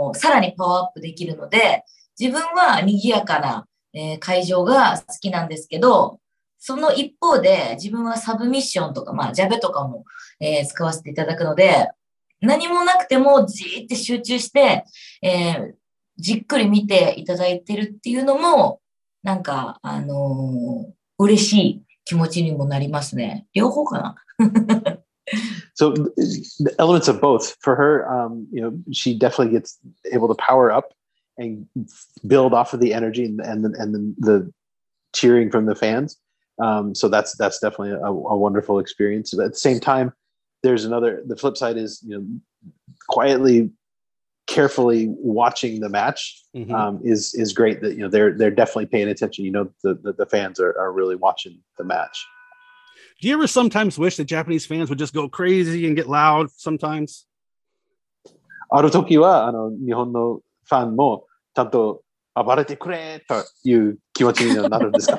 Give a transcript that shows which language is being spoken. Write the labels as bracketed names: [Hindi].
[Japanese] らにパワーアップできるので、自分は賑やかな、会場が好きなんですけど、その一方で自分はサブミッションとか、まあ、ジャベとかも、使わせていただくので、何もなくてもじーって集中して、じっくり見ていただいてるっていうのも、なんか、嬉しい気持ちにもなりますね。両方かな。 [English] So, the elements of both. For her, she definitely gets able to power up and build off of the energy and the cheering from the fans. So that's definitely a wonderful experience. But at the same time, there's the flip side is, quietly, carefully watching the match is great. That they're definitely paying attention. The fans are really watching the match. Do you ever sometimes wish that Japanese fans would just go crazy and get loud sometimes? [Japanese] ある時はあの日本のファンもちゃんと暴れてくれという気持ちになるんですか？